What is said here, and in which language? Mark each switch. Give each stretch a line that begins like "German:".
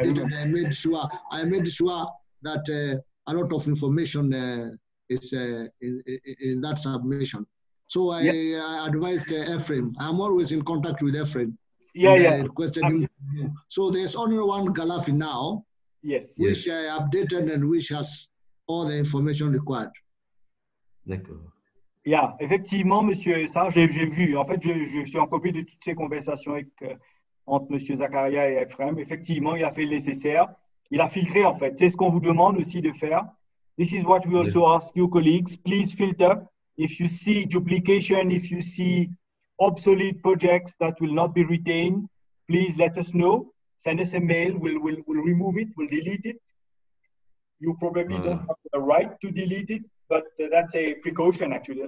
English: I made sure that a lot of information is in that submission. So I advised Ephraim. I'm always in contact with Ephraim. Yeah. Requested him. So there's only one Galafi now. Yes. Which I updated and which has all the information required.
French: D'accord. Yeah, effectivement, Monsieur Sarr, j'ai vu. En fait, je suis en copie de toutes ces conversations entre Monsieur Zakaria et Ephraim. Effectivement, il a fait le nécessaire. Il a filtré, en fait. C'est ce qu'on vous demande aussi de faire.
English: This is what we also ask you, colleagues. Please filter. If you see duplication, if you see obsolete projects that will not be retained, please let us know. Send us a mail, we'll remove it, we'll delete it. You probably don't have the right to delete it, but that's a precaution, actually.